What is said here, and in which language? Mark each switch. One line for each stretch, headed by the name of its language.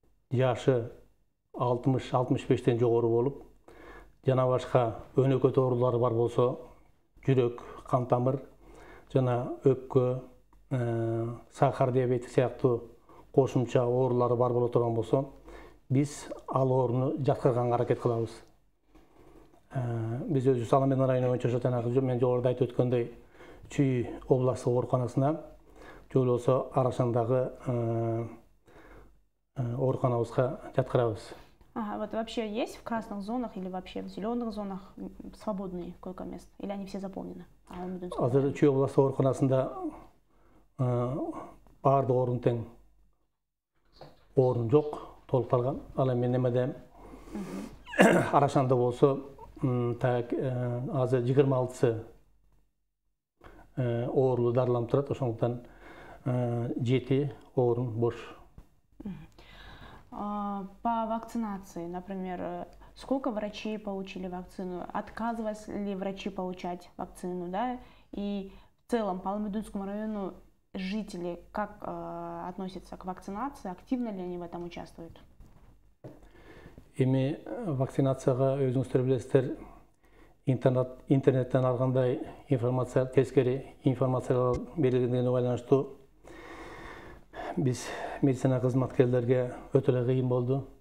Kyrgyz: жашы 60-65-тен жогору болуп, жана башка өнөкөт оорулары бар болсо, жүрөк, кан тамыр жана өпкө, сахар диабети сыяктуу кошумча оорулары бар боло турган болсо, биз ал ооруну жаткырганга аракет кылабыз. Биз өзү Сала менен районунун чоштанагы жөн мен жогоруда айтып өткөндөй Чүй областы ооруканасына же болбосо Арашандагы ооруканабызга жаткырабыз.
Russian: Ага, вот вообще есть в красных зонах или вообще в зеленых зонах свободные койко мест? Или они все заполнены?
Kyrgyz: Азыр Чүй областы ооруканасында баардык орун тең. Орун жок, толукталган. Ал эми эмнеде Арашанда болсо так азыр 26 оорулу дарыланып турат, ошондуктан 7 орун бош.
Russian: По вакцинации, например, сколько врачей получили вакцину, отказывались ли врачи получать вакцину, да? И в целом по Алмадунскому району жители как относятся к вакцинации, активно ли они в этом участвуют?
Kyrgyz: Эми вакцинацияга өзүңүздөр билесиздер, интернеттен алгандай информация, тескери информация берилгенден байланыштуу биз медицина кызматкерлерге өтө эле кыйын болду.